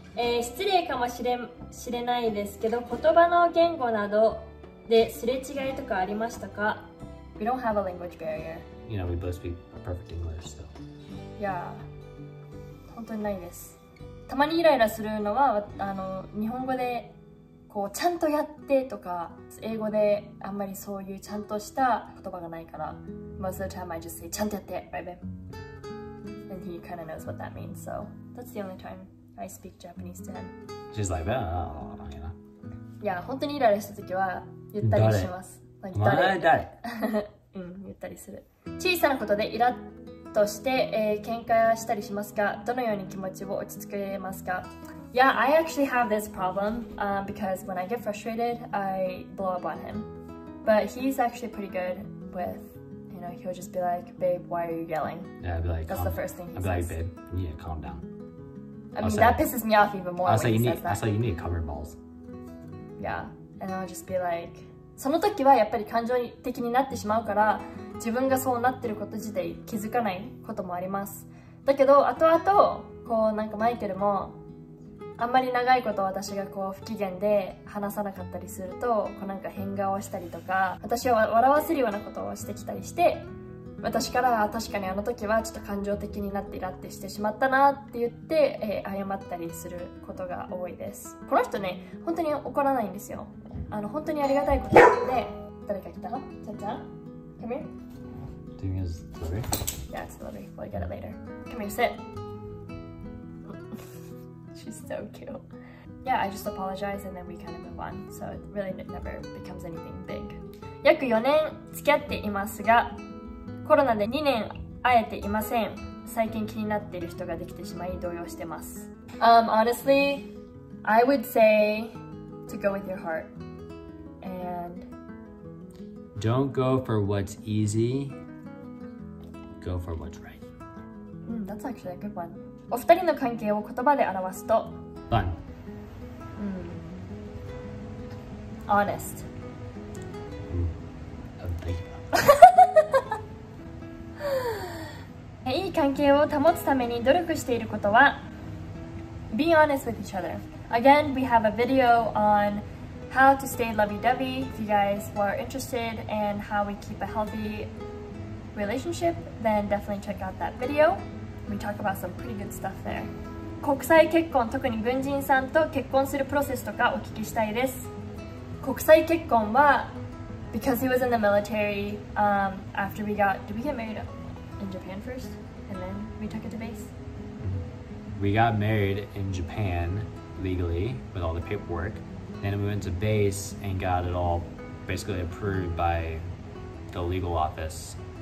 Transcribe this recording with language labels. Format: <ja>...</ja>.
<ja>失礼かもしれないですけど、言葉の言語などですれ違いとかありましたか?</ja> <en>We don't have a language barrier. You know, we both speak perfect English, so.</en> <ja>Yeah. 本当にないです。たまにイライラするのは日本語でこうちゃんとやってとか英語であんまりそういうちゃんとした言葉がないから</ja> <en>Most of the time I just say ちゃんとやって right babe And he kind of knows what that means So that's the only time I speak Japanese to him She's like that Yeah, you know?</en> <ja>yeah 本当にイライラした時は言ったりします誰、like, 誰, 誰うん、言ったりする小さなことでイラッとして、喧嘩したりしますかどのように気持ちを落ち着けますか</ja> <en>Yeah, I actually have this problem、because when I get frustrated, I blow up on him. But he's actually pretty good with, you know, he'll just be like, babe, why are you yelling? Yeah, I'll be like, That's the first thing he I'll says. I'll be like, babe, you need to calm down. I mean, say, that pisses me off even more when he says that. I'll say, you need to cover your balls. Yeah, and I'll just be like,</en> <ja>その時はやっぱり感情的になってしまうから自分がそうなってること自体気づかないこともありますだけど後々こうなんかマイケルもあんまり長いこと私がこう不機嫌で話さなかったりするとこうなんか変顔したりとか私を笑わせるようなことをしてきたりして私から確かにあの時はちょっと感情的になってイラッてしてしまったなって言って、謝ったりすることが多いですこの人ね本当に怒らないんですよ本当にありがたいことなので誰か来たのちゃんちゃん</ja> <en>Come here Do you use the lottery? Yeah, it's the lottery. We'll get it later. Come here, sit. She's so cute. Yeah, I just apologize and then we kind of move on. So it really never becomes anything big.</en> <ja>約4年付き合っていますがコロナで2年会えていません。最近気になっている人ができてしまい動揺してます。</ja> <en>Honestly, I would say to go with your heart. Don't go for what's easy. Go for what's right. That's actually a good one.</en> <ja>お二人の関係を言葉で表すと</ja> <en>Fun. Honest. Thank you.</en> <ja>いい関係を保つために努力していることは</ja> <en>Be honest with each other. Again, we have a video onHow to stay lovey-dovey if you guys were interested and how we keep a healthy relationship, then definitely check out that video. We talk about some pretty good stuff there.</en> <ja>国際結婚、特に軍人さんと結婚するプロセスとかお聞きしたいです。国際結婚は、</ja> <en>because he was in the military, after we got, did we get married in Japan first? And then we took it to base? We got married in Japan legally with all the paperwork. Then we went to base and got it all basically approved by the legal office.</en>